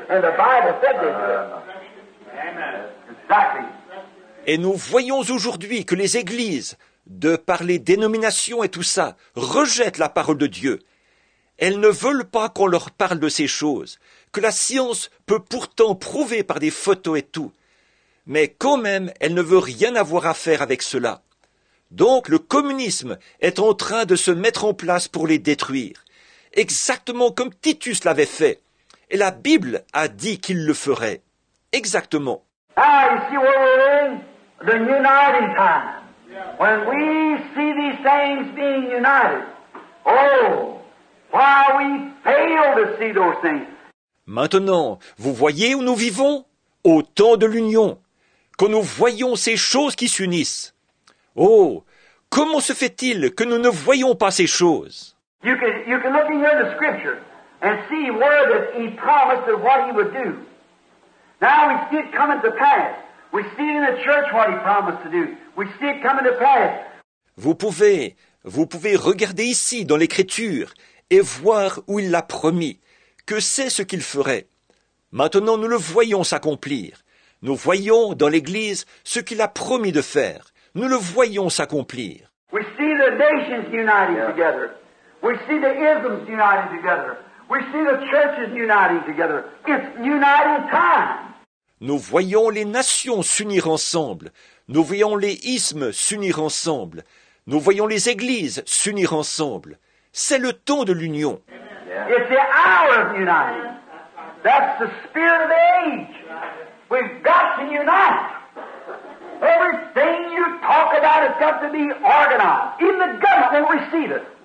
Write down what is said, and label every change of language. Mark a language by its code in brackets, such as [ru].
[en] And the Bible said they did. Amen. Exactly. [fr] Et nous voyons aujourd'hui que les églises, de par les dénominations et tout ça, rejettent la parole de Dieu. Elles ne veulent pas qu'on leur parle de ces choses, que la science peut pourtant prouver par des photos et tout. Mais quand même, elle ne veut rien avoir à faire avec cela. Donc le communisme est en train de se mettre en place pour les détruire, exactement comme Titus l'avait fait. Et la Bible a dit qu'il le ferait. Exactement. [en] Ah, you see what we're in? The uniting time. When we see these things being united, oh, why we fail to see those things. [fr] Maintenant, vous voyez où nous vivons? Au temps de l'union, quand nous voyons ces choses qui s'unissent. Oh, comment se fait-il que nous ne voyons pas ces choses? [en] You can look in here in the scripture. and see where that he promised and what he would do. Now we see it coming to pass. We see it in the church what he promised to do. We see it coming to pass. [fr] Vous pouvez regarder ici dans l'Écriture et voir où il l'a promis, que c'est ce qu'il ferait. Maintenant, nous le voyons s'accomplir. Nous voyons dans l'Église ce qu'il a promis de faire. Nous le voyons s'accomplir. [en] We see the nations uniting together. We see the isms uniting together. We see the churches uniting together. It's uniting time. [fr] Nous voyons les nations s'unir ensemble. Nous voyons les ismes s'unir ensemble. Nous voyons les églises s'unir ensemble. C'est le temps de l'union. [en] It's the hour of uniting. That's the spirit of the age. We've got to unite. Everything you talk about has got to be organized. Even the government we see it.